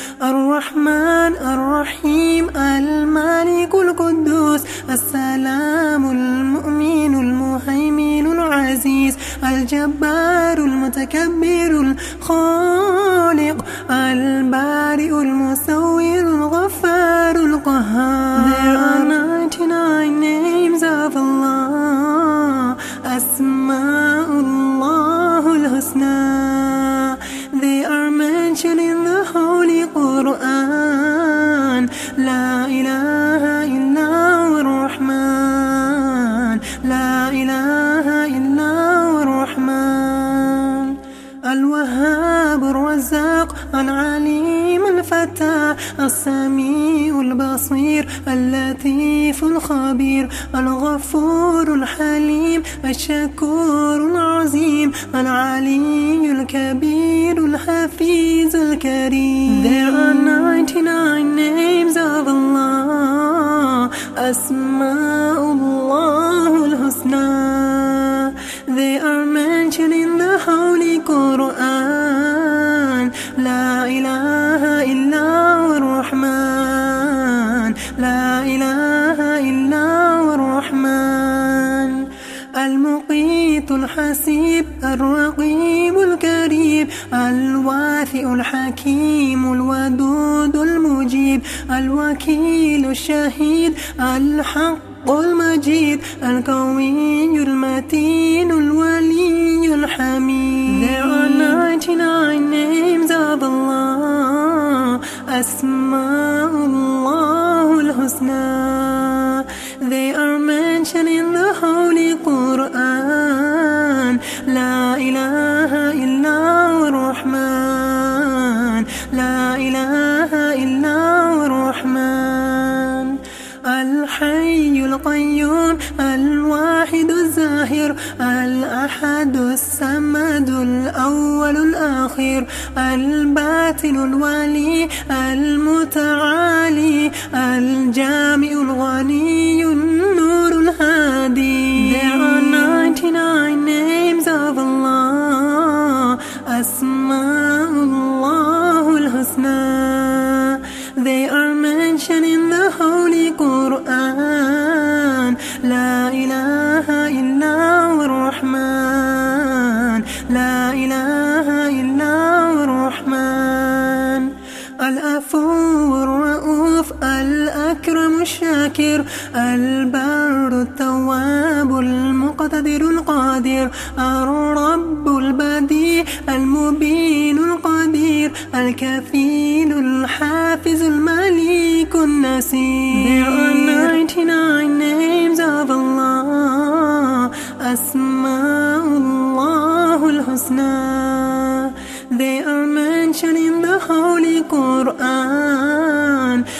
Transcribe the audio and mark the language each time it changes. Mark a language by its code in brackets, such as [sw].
[ar] الرحمن الرحيم الملك القدوس السلام المؤمن المهيمن العزيز الجبار المتكبر الخالق البارئ المصور الغفار القهار. [en] There are 99 names of Allah. [ar] أسماء الله الحسنى. [en] They are mentioned in the Holy Quran. [ar] لا إله إلا الله الرحمن. لا إله إلا الله الرحمن. الوهاب الرزاق العليم الفتى السميع البصير اللطيف الخبير الغفور الحليم الشكور العظيم العلي الكبير الحفيظ الكريم. [en] There are 99 names of Allah. [ar] أسماء الله الحسنى. [en] They are mentioned in the Holy Quran. [ar] لا إله إلا الله الرحمن. لا إله إلا الله الرحمن. المقيت الحسيب الرقيب الكريم الواثق الحكيم الودود المجيب الوكيل الشهيد الحق المجيد القوي المتين الولي الحميد. [en] There are 99 names of Allah. [ar] أسماء الله الحسنى. [en] They are mentioned in the Holy Quran. [ar] لا إله إلا الله الرحمن. لا إله إلا الله الرحمن. الحي القيوم الواحد الظاهر الأحد الصمد الأول الآخر الباطن الولي المتعالي الجامع الغني النور الهادي. [en] There are 99 names of Allah. [ar] أسماء الله الحسنى. [en] They are mentioned in the Holy Quran. [ar] لا إله إلا الله الرحمن. لا إله إلا الله الرحمن. العفو الرؤوف الأكرم الشاكر البار التواب المقتدر القادر الرب البديع المبين القدير الكفيل الحافظ المليك النسير. [en] There are 99 names of Allah. [ar] أسماء الله الحسنى. [en] They are mentioned in the Holy Quran.